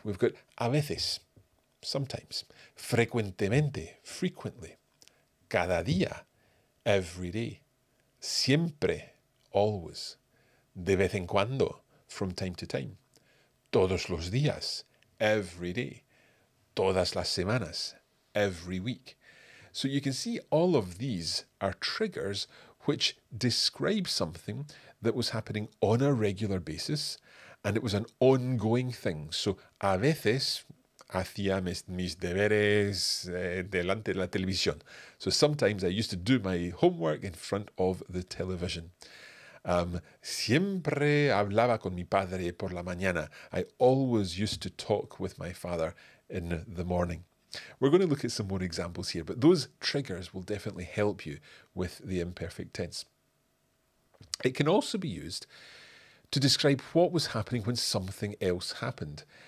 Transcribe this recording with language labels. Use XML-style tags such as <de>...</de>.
<en>We've got</en> <es>a veces,</es> <en>sometimes,</en> <es>frecuentemente,</es> <en>frequently,</en> <es>cada día,</es> <en>every day,</en> <es>siempre,</es> <en>always,</en> <es>de vez en cuando,</es> <en>from time to time,</en> <es>todos los días, every day, todas las semanas,</es> <en>every week. So you can see all of these are triggers which describe something that was happening on a regular basis and it was an ongoing thing.</en> <es>So a veces hacía mis deberes delante de la televisión.</es> <en>So sometimes I used to do my homework in front of the television.</en> <es>Siempre hablaba con mi padre por la mañana.</es> <en>I always used to talk with my father in the morning. We're going to look at some more examples here, but those triggers will definitely help you with the imperfect tense. It can also be used to describe what was happening when something else happened.</en>